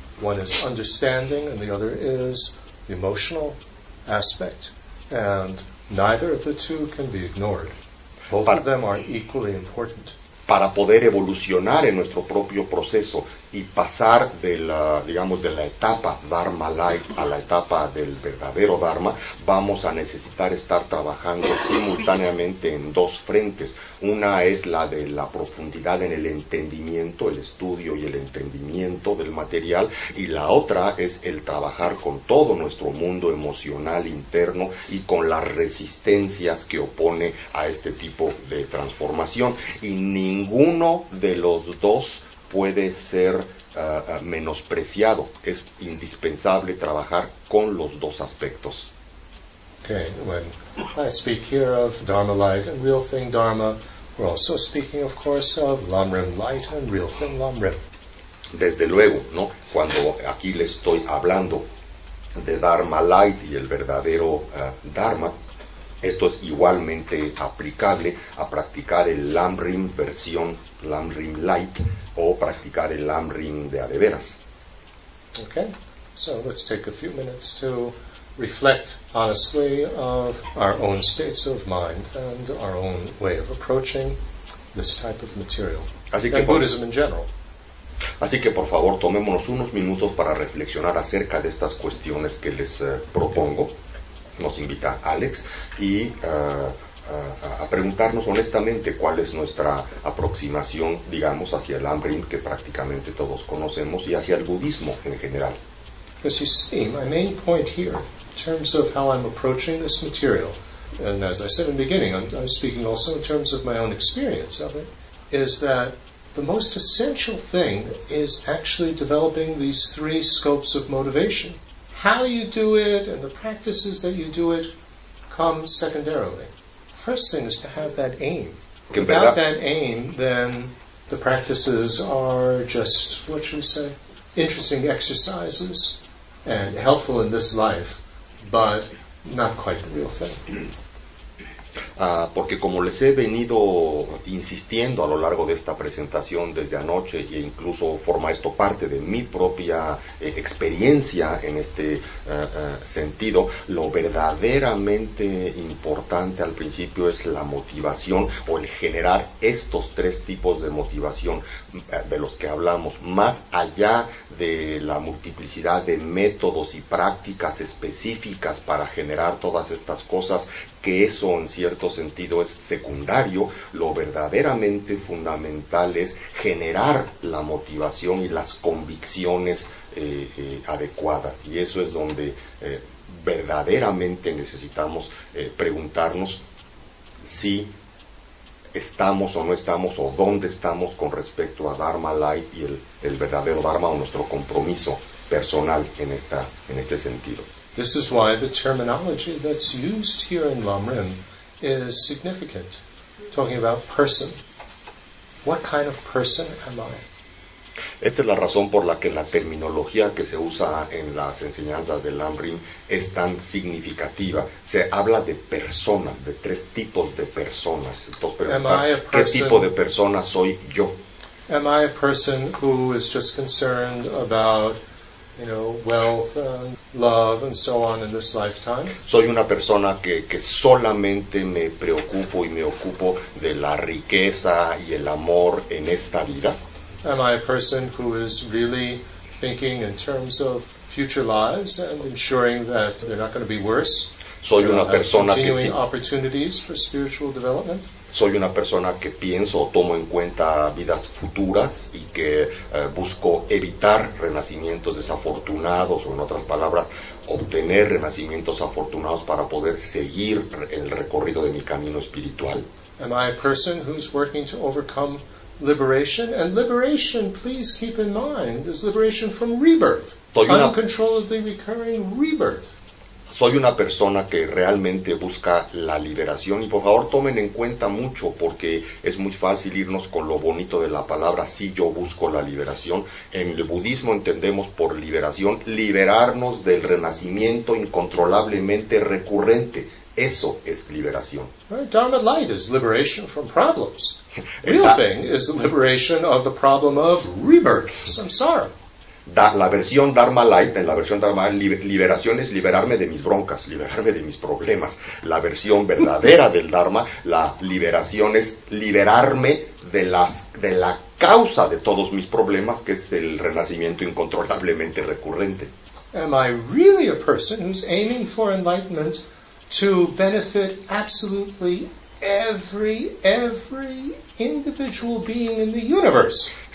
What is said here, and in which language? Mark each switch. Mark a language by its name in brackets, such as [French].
[English] One is understanding, and the other is the emotional aspect. And neither of the two can be ignored. Both of them are equally important. [Spanish] para poder evolucionar en nuestro propio proceso y pasar de la, digamos, de la etapa Dharma Life a la etapa del verdadero Dharma, vamos a necesitar estar trabajando simultáneamente en dos frentes. Una es la de la profundidad en el entendimiento, el estudio y el entendimiento del material, y la otra es el trabajar con todo nuestro mundo emocional interno y con las resistencias que opone a este tipo de transformación. Y ninguno de los dos puede ser menospreciado. Es indispensable trabajar con los dos aspectos. [English] Okay, when I speak here of Dharma light and real thing Dharma, we're also speaking, of course, of lam-rim light and real thing lam-rim. [Spanish] Desde luego, ¿no? Cuando aquí le estoy hablando de Dharma light y el verdadero Dharma, esto es igualmente aplicable a practicar el lam-rim versión lam-rim light o practicar el lam-rim de a de veras. [English] Okay, so let's take a few minutes to reflect honestly of our own states of mind and our own way of approaching this type of material. [Spanish] Así que [English] and Buddhism in general. [Spanish] Así que por favor tomémonos unos minutos para reflexionar acerca de estas cuestiones que les propongo. Nos invita Alex y a preguntarnos honestamente cuál es nuestra aproximación, digamos, hacia el lam-rim que prácticamente todos conocemos y hacia el budismo en general. [English] As you see, my main point here, in terms of how I'm approaching this material, and as I said in the beginning, I'm speaking also in terms of my own experience of it, is that the most essential thing is actually developing these three scopes of motivation. How you do it and the practices that you do it come secondarily. First thing is to have that aim. Without that aim, then the practices are just, what should we say, interesting exercises and helpful in this life, but not quite the real thing. [Spanish] Porque como les he venido insistiendo a lo largo de esta presentación desde anoche e incluso forma esto parte de mi propia experiencia en este sentido, lo verdaderamente importante al principio es la motivación o el generar estos tres tipos de motivación de los que hablamos, más allá de la multiplicidad de métodos y prácticas específicas para generar todas estas cosas, que eso en cierto sentido es secundario. Lo verdaderamente fundamental es generar la motivación y las convicciones adecuadas, y eso es donde verdaderamente necesitamos preguntarnos si estamos o no estamos o dónde estamos con respecto a Dharma Light y el verdadero Dharma o nuestro compromiso personal en este sentido. [English] This is why the terminology that's used here in Lam-rim is significant. Talking about person. What kind of person am I? [Spanish] Esta es la razón por la que la terminología que se usa en las enseñanzas de Lam-rim es tan significativa. Se habla de personas, de tres tipos de personas. Entonces, ¿qué tipo de persona soy yo? [English] Am I a person who is just concerned about, you know, wealth and love and so on in this lifetime? [Spanish] Soy una persona que solamente me preocupo y me ocupo de la riqueza y el amor en esta vida. [English] Am I a person who is really thinking in terms of future lives and ensuring that they're not going to be worse? [Spanish] Soy una persona [English] continuing que opportunities for spiritual development? [Spanish] Soy una persona que pienso o tomo en cuenta vidas futuras y que busco evitar renacimientos desafortunados, o en otras palabras, obtener renacimientos afortunados para poder seguir el recorrido de mi camino espiritual. [English] Am I a person who's working to overcome liberation? And liberation, please keep in mind, is liberation from rebirth, uncontrollably recurring rebirth. [Spanish] Soy una persona que realmente busca la liberación, y por favor tomen en cuenta mucho, porque es muy fácil irnos con lo bonito de la palabra, si yo busco la liberación. En el budismo entendemos por liberación liberarnos del renacimiento incontrolablemente recurrente. Eso es liberación. [English] Right, Dharma light is liberation from problems. Real thing is the liberation of the problem of rebirth, samsara. [Spanish] la versión Dharma Light, en la versión Dharma liberación es liberarme de mis broncas, liberarme de mis problemas. La versión verdadera del Dharma, la liberación es liberarme de la causa de todos mis problemas, que es el renacimiento incontrolablemente recurrente. [English] Am I really a person who's aiming for enlightenment to benefit absolutely every individual being in the universe?